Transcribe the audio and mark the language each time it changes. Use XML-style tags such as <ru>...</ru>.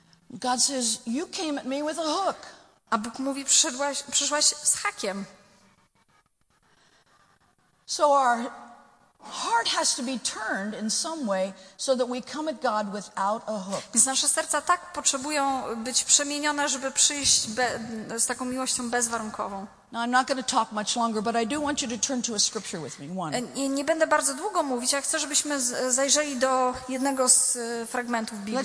<en>God says, you came at me with a hook.</en> <pl>A Bóg mówi, przyszłaś z hakiem.</pl> <en>So our heart has to be turned in some way so that we come at God without a hook.</en> <pl>Więc nasze serca tak potrzebują być przemienione, żeby przyjść z taką miłością bezwarunkową.</pl> <en>Now I'm not going to talk much longer, but I do want you to turn to a scripture with me. One.</en> <pl>Nie będę bardzo długo mówić, ja chcę, żebyśmy zajrzeli do jednego z fragmentów Biblii.</pl>